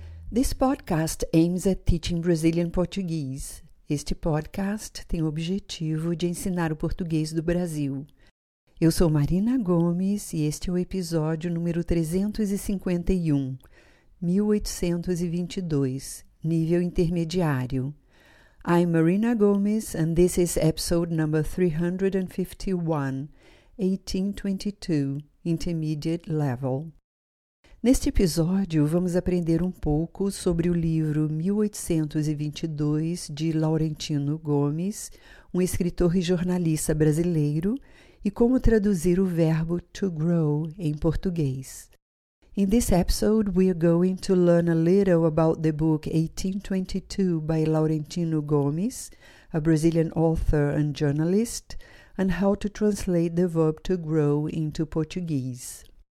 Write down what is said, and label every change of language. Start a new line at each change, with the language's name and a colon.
English: This podcast aims at teaching Brazilian Portuguese.
Portuguese: Este podcast tem o objetivo de ensinar o português do Brasil. Eu sou Marina Gomes e este é o episódio número 351, 1822, nível intermediário.
English: I'm Marina Gomes and this is episode number 351, 1822, intermediate level.
Portuguese: Neste episódio, vamos aprender um pouco sobre o livro 1822 de Laurentino Gomes, um escritor e jornalista brasileiro, e como traduzir o verbo to grow em português.
English: In this episode, we are going to learn a little about the book 1822 by Laurentino Gomes, a Brazilian author and journalist, and how to translate the verb to grow into Portuguese.